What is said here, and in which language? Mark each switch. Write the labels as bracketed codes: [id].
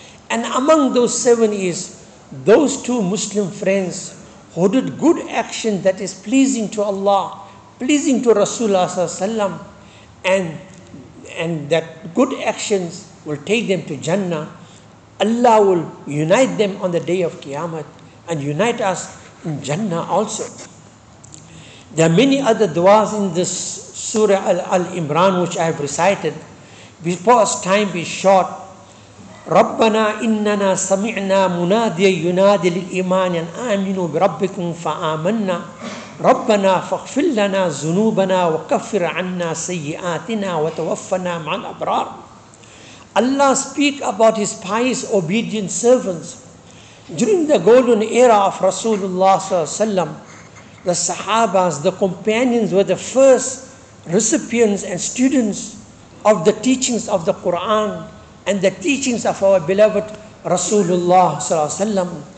[en] And among those 7 is those 2 Muslim friends who did good action that is pleasing to Allah, pleasing to Rasulullah, and that good actions will take them to Jannah. Allah will unite them on the day of Qiyamah and unite us in Jannah also. There are many other du'as in this Surah Al-Imran which I have recited. Because time is short, [ar] رَبَّنَا إِنَّنَا سَمِعْنَا مُنَادِيَ يُنَادِي لِلْإِمَانِ أَنْ آمِنُوا بِرَبِّكُمْ فَآمَنَّا رَبَّنَا فَغْفِرْ لَنَا ذُنُوبَنَا وَكَفِّرْ عَنَّا سَيِّئَاتِنَا وَتَوَفَّنَا مَعَ الْأَبْرَارِ. [en] Allah speak about His pious, obedient servants. During the golden era of Rasulullah, the Sahabas, the companions, were the first recipients and students of the teachings of the Quran and the teachings of our beloved Rasulullah sallallahu alaihi wasallam.